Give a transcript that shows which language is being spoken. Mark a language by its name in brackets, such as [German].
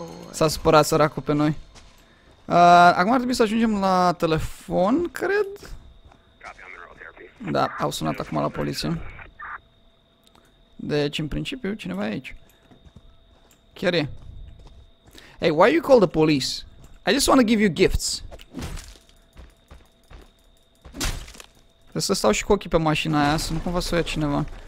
[Romanian] S-a supărat săracul pe noi. Acum ar trebui să ajungem la telefon, cred. Da, au sunat acum la poliție. Deci, în principiu, cineva e aici. Chiar e. [English] Hey, why you call the police? I just want to give you gifts. [Romanian] Trebuie să stau și cu ochii pe mașina aia, să nu cumva să o ia cineva.